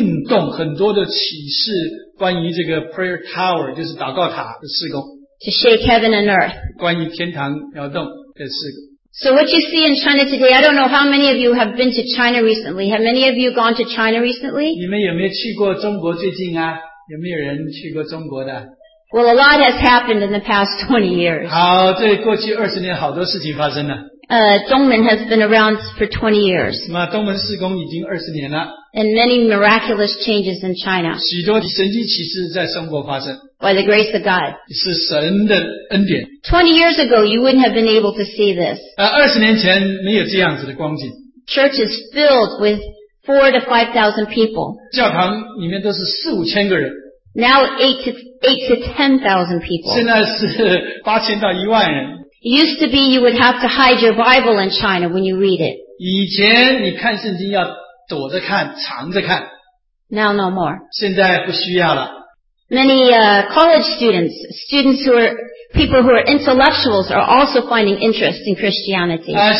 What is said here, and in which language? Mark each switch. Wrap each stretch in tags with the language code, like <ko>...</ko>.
<zh>但是现在在中国、台湾、香港有很多的运动，很多的启示。关于这个</zh> <en>prayer tower</en> <zh>就是祷告塔的事工</zh> <en>to shake heaven and earth</en> <zh>关于天堂摇动的事工</zh> <en>So what you see in China today, I don't know how many of you have been to China recently. Have many of you gone to China recently?</en> <zh>你们有没有去过中国最近啊? 有没有人去过中国的?</zh> <en>Well, a lot has happened in the past 20 years.</en> <zh>好，这过去20年好多事情发生了。</zh> <en>Dongmen has been around for 20 years.</en> <zh>东门事工已经20年了。</zh> <en>And many miraculous changes in China.</en> <zh>许多神迹奇事在中国发生。</zh> <en>By the grace of God.</en> <zh>是神的恩典。</zh> <en>20 years ago, you wouldn't have been able to see this.</en> <zh>20年前没有这样子的光景。</zh> <en>Churches filled with 4,000 to 5,000 people.</en> <zh>教堂里面都是4,000到5,000个人。</zh> <en>Now 8,000 to 10,000 people.</en> <zh>现在是8,000到10,000人。</zh> <en>It used to be you would have to hide your Bible in China when you read it.</en> <zh>以前你看圣经要躲着看,藏着看。</zh> <en>Now no more.</en> <zh>现在不需要了。</zh> <en>Many college students, people who are intellectuals are also finding interest in Christianity.</en>